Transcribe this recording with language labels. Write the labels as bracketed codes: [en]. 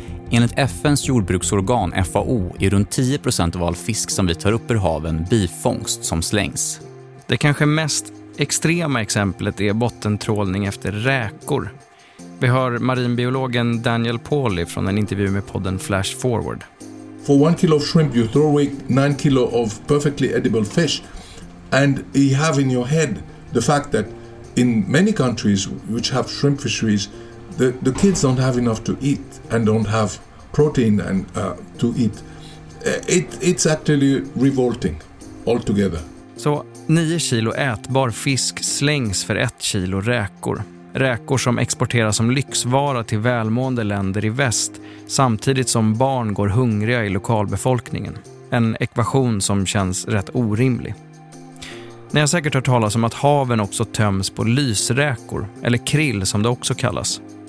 [sv] Enligt FN:s jordbruksorgan FAO är runt 10% av all fisk som vi tar upp ur haven bifångst som slängs. Det kanske mest extrema exemplet är bottentrålning efter räkor. Vi hör marinbiologen Daniel Pauly från en intervju med podden Flash Forward. [en] For 1 kilo of shrimp you throw away 9 kilo of perfectly edible fish, and you have in your head the fact that in many countries which have shrimp fisheries, the kids don't have enough to eat and don't have protein and to eat. It's actually revolting altogether. [sv] Så 9 kilo ätbar fisk slängs för 1 kilo räkor. Räkor som exporteras som lyxvara till välmående länder i väst samtidigt som barn går hungriga i lokalbefolkningen. En ekvation som känns rätt orimlig. Ni har säkert hört talas om att haven också töms på lysräkor, eller krill som det också kallas.